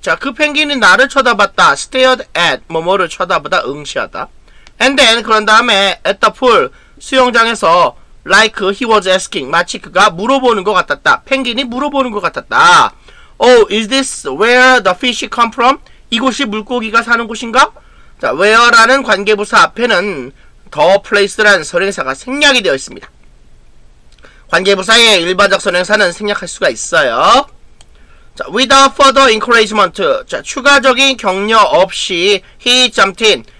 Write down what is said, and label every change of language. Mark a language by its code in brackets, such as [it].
[ko] 자, 그 펭귄이 나를 쳐다봤다. [en] stared at. [ko] 뭐뭐를 쳐다보다 응시하다. [en] And then, [ko] 그런 다음에, [en] at the pool. [ko] 수영장에서, [en] like he was asking. [ko] 마치 그가 물어보는 것 같았다. 펭귄이 물어보는 것 같았다. [en] Oh, is this where the fish come from? [ko] 이곳이 물고기가 사는 곳인가? 자, where라는 관계부사 앞에는, The place라는 선행사가 생략이 되어 있습니다. 관계부사의 일반적 선행사는 생략할 수가 있어요. [en] 자, without further encouragement. [ko] 자, 추가적인 격려 없이 [en] he jumped in.